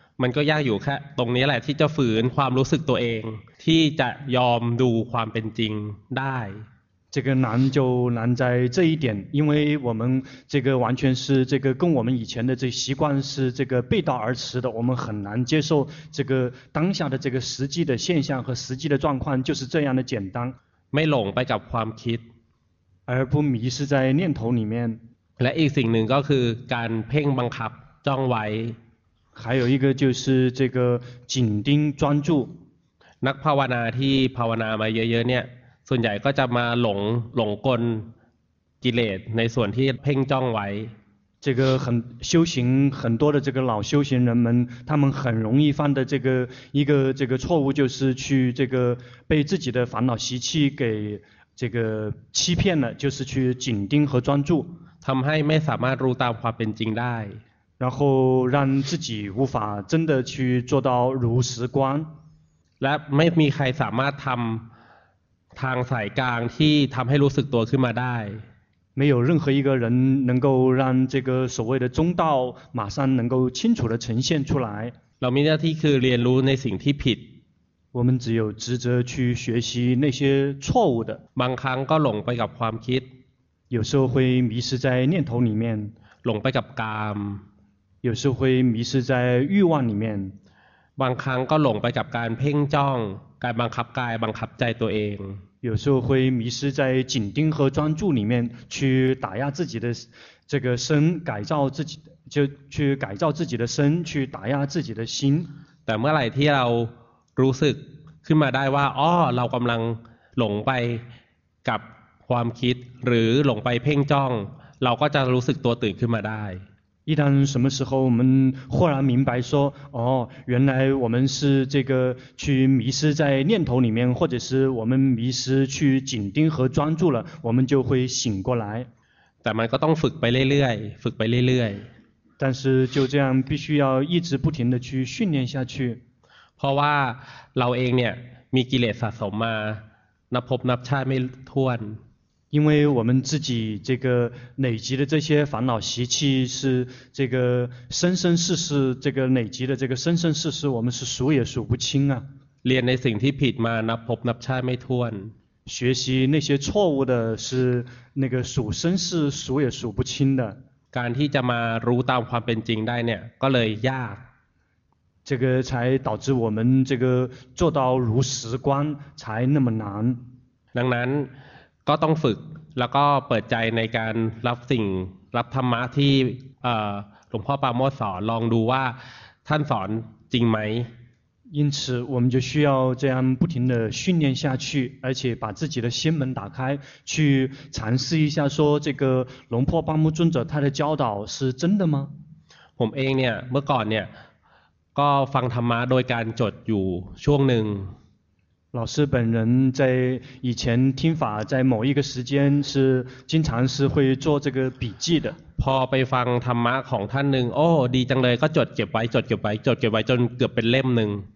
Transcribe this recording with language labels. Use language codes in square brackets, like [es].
[th] มันก็ยากอยู่แค่ตรงนี้แหละที่จะฝืนความรู้สึกตัวเองที่จะยอมดูความเป็นจริงได้ [zh] 这个难就难在这一点因为我们这个完全是这个跟我们以前的这习惯是这个背道而驰的我们很难接受这个当下的这个实际的现象和实际的状况就是这样的简单 [th] ไม่หลงไปกับความคิด [zh] 而不迷失在念头里面 [th] และอีกสิ่งหนึ่งก็คือการเพ่งบังคับจ้องไว้ [zh] 还有一个就是这个紧盯专注 [th] นักภาวนาที่ภาวนามาเยอะๆเนี่ยส่วนใหญ่ก็จะมาหลงกลกิเลสในส่วนที่เพ่งจ้องไว้ [zh] 这个很修行很多的这个老修行人们他们很容易犯的这个一个这个错误就是去这个被自己的烦恼习气给这个欺骗了就是去紧盯和专注 [th] ทำให้ไม่สามารถรู้ตามความเป็นจริงได้ [zh] 然后让自己无法真的去做到如实观 [th] และไม่มีใครสามารถทำทางสายกลางที่ทำให้รู้สึกตัวขึ้นมาได้ ไม่ [zh] 有任何一个人能够让这个所谓的中道马上能够清楚的呈现出来 [th] เรามีหน้าที่คือเรียนรู้ในสิ่งที่ผิด [zh] 我们只有职责去学习那些错误的 [th] บางครั้งก็หลงไปกับความคิด [zh] 有时候会迷失在念头里面 [th] หลงไปกับกาม [zh] 有时候会迷失在欲望里面 [th] บางครั้งก็หลงไปกับการเพ่งจ้องการบังคับกายบังคับใจตัวเอง [zh] 有时候会迷失在紧盯和专注里面去打压自己的这个身改造自己就去改造自己的身去打压自己的心 [th] แต่เมื่อไหร่ที่เรารู้สึกขึ้นมาได้ว่าอ้อเรากำลังหลงไปกับความคิดหรือหลงไปเพ่งจ้องเราก็จะรู้สึกตัวตื่นขึ้นมาได้ [zh] 一旦什么时候我们豁然明白说哦原来我们是这个去迷失在念头里面或者是我们迷失去紧盯和专注了我们就会醒过来 [th] แต่มันก็ต้องฝึกไปเรื่อยๆฝึกไปเรื่อย [zh] ๆ但是就这样必须要一直不停地去训练下去 [th] เพราะว่าเราเองเนี่ยมีกิเลสสะสมมานับภพนับชาติไม่ถ้วน [zh] 因为我们自己这个累积的这些烦恼习气是这个生生世世这个累积的这个生生世世我们是数也数不清啊 [th] เรียนในสิ่งที่ผิดมานับพบนับชาติไม่ถ้วน [zh] 学习那些错误的是那个数生世数也数不清的 [th] การที่จะมารู้ตามความเป็นจริงได้เนี่ยก็เลยยาก [zh] 这个才导致我们这个做到如实观才那么难 [th] ดังนั้นก็ต้องฝึกแล้วก็เปิดใจในการรับสิ่งรับธรรมะที่หลวงพ่อปราโมทสอนลองดูว่าท่านสอนจริงไหม [zh] 因此我们就需要这样不停地训练下去，而且把自己的心门打开，去尝试一下说这个龙婆巴木尊者他的教导是真的吗？ [th] ผมเองเนี่ยเมื่อก่อนเนี่ยก็ฟังธรรมะโดยการจดอยู่ช่วงหนึ่ง [zh] 老师本人在以前听法，在某一个时间是经常是会做这个笔记的。 [th] พอไปฟังธรรมะของท่านหนึ่งโอ้ดีจังเลยก็จดเก็บไว้จดเก็บไว้จดเก็บไว้จนเกือบเป็นเล่มหนึ่ง